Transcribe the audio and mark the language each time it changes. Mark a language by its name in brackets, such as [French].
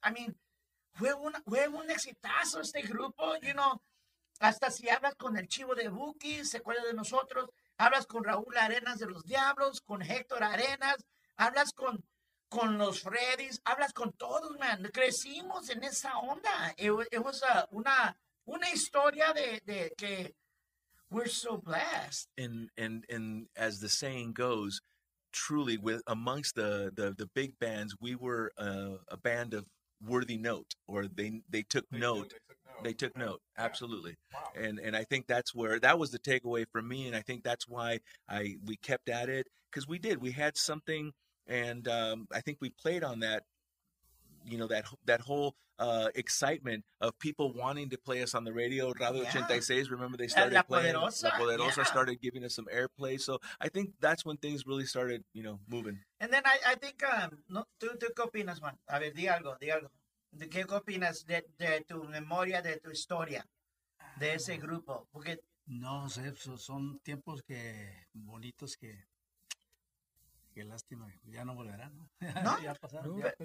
[English] I mean, [Spanish] fue un exitazo este grupo, [English] you know. [Spanish] Hasta si hablas con el Chivo de Buki, se acuerda de nosotros. Hablas con Raúl Arenas de los Diablos, con Héctor Arenas. Hablas con los Freddys, hablas con todos, man. Crecimos en esa onda. [English] It was [Spanish] una historia de que [English] we're so blessed. And as the saying goes, truly, with amongst the big bands, we were a band of worthy note, or they took note. Yeah. Absolutely. Wow. And I think that's where that was the takeaway for me, and I think that's why we kept at it, because we did. We had something. And I think we played on that, you know, that whole excitement of people wanting to play us on the radio. Radio 86, remember they started playing. La Poderosa started giving us some airplay. So I think that's when things really started, you know, moving. And then I think, [Spanish] ¿tú qué opinas, man? A ver, di algo. ¿Qué opinas de tu memoria, de tu historia, de ese grupo? Porque... No sé, son tiempos que bonitos que... Qué lástima, ya no volverán. No, ya pasaron.